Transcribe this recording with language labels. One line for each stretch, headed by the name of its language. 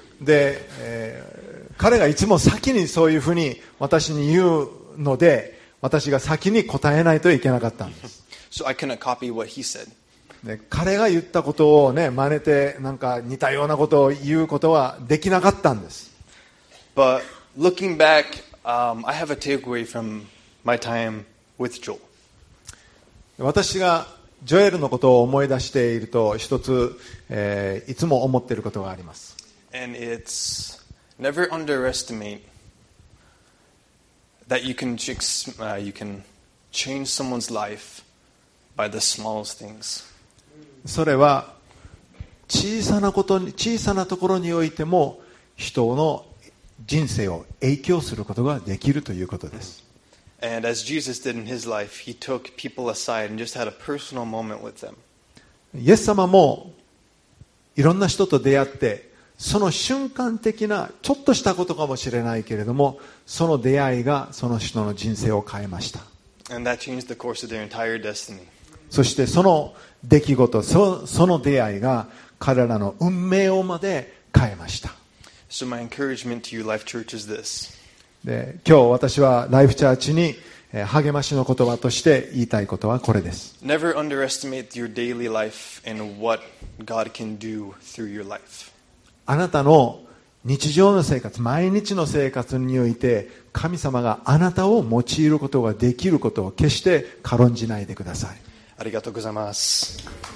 Japanese: で、彼がいつも先にそういうふうに私に言うので、私が先に答えないといけなかったんです。
English: So I couldn't copy what he said.
Japanese: で、彼が言ったことをね、真似てなんか似たようなことを言うことはできなかったんです。
English: But looking back, I have a takeaway from my time with Joel.
Japanese: 私がジョエルのことを思い出していると一つ、いつも思っていることがあります。
English: And it's never underestimate that you can, you can change someone's life by the smallest things.
Japanese: それは小さなことに、小さなところにおいても人の人生を影響することができるということです。
English: And as Jesus did in his life, he took people aside and just had a personal moment with them.
Japanese: イエス様もいろんな人と出会って、その瞬間的なちょっとしたことかもしれないけれども、その出会いがその人の人生を変えました。
English: And that changed the course of their entire destiny.
Japanese: そしてその出来事、その出会いが彼らの運命をまで変えました。
English: So my encouragement to you, Life Church, is this.
Japanese: で、今日私はライフチャーチに励ましの言葉として言いたいことはこれです。
English: Never underestimate your daily life and what God can do through your life.
Japanese: あなたの日常の生活、毎日の生活において神様があなたを用いることができることを決して軽んじないでください。ありがとうございます。